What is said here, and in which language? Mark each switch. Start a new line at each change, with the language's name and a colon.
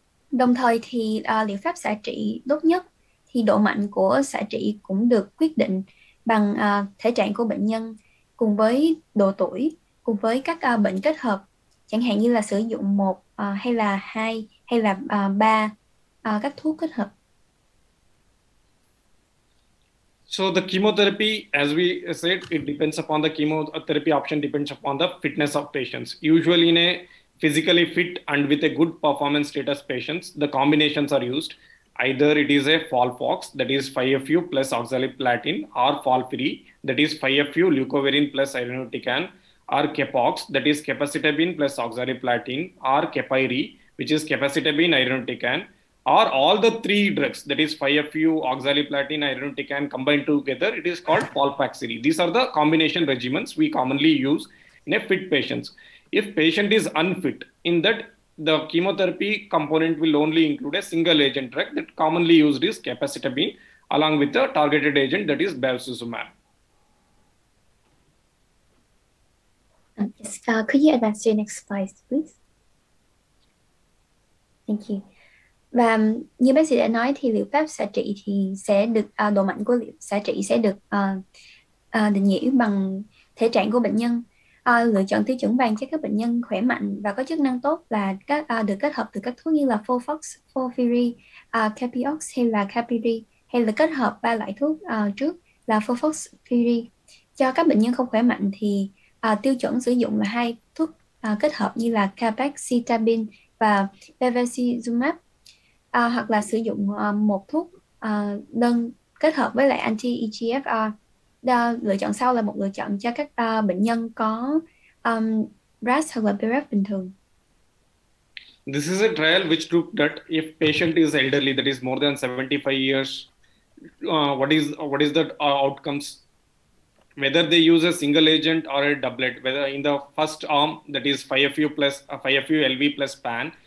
Vietnamese: Đồng thời thì liệu pháp xạ trị tốt nhất thì độ mạnh của xạ trị cũng được quyết định bằng thể trạng của bệnh nhân cùng với độ tuổi, cùng với các bệnh kết hợp, chẳng hạn như là sử dụng một hay là hai hay là ba các thuốc kết hợp.
English: So the chemotherapy, as we said, it depends upon the chemotherapy option, depends upon the fitness of patients. Usually in a physically fit and with a good performance status patients, the combinations are used. Either it is a FOLFOX, that is 5-FU plus oxaliplatin, or FOLFIRI, that is 5-FU leucovorin plus irinotecan, or CAPOX, that is capecitabine plus oxaliplatin, or CAPIRI, which is capecitabine irinotecan, or all the three drugs, that is 5-FU, oxaliplatin, irinotecan combined together, it is called FOLFOXIRI. These are the combination regimens we commonly use in a fit patients. If patient is unfit, in that the chemotherapy component will only include a single agent drug that commonly used is capecitabine along with the targeted agent, that is bevacizumab. Could you advance to the next slide, please? Thank you.
Vietnamese: Và như bác sĩ đã nói thì liệu pháp xạ trị thì sẽ được độ mạnh của liệu xạ trị sẽ được định nghĩa bằng thể trạng của bệnh nhân. Lựa chọn tiêu chuẩn vàng cho các bệnh nhân khỏe mạnh và có chức năng tốt là các được kết hợp từ các thuốc như là FOLFOX, FOLFIRI, CAPIOX hay là CAPIRI, hay là kết hợp ba loại thuốc trước là FOLFOX, FIRI. Cho các bệnh nhân không khỏe mạnh thì tiêu chuẩn sử dụng là hai thuốc kết hợp như là capecitabine và bevacizumab, hoặc là sử dụng một thuốc đơn kết hợp với lại anti-EGFR. Lựa chọn sau là một lựa chọn cho các bệnh nhân có RAS hoặc là BRAF bình thường.
English: This is a trial which looked at if patient is elderly, that is more than 75 years, what is the outcomes? Whether they use a single agent or a doublet, whether in the first arm, that is 5-FU plus 5-FU LV plus PAN,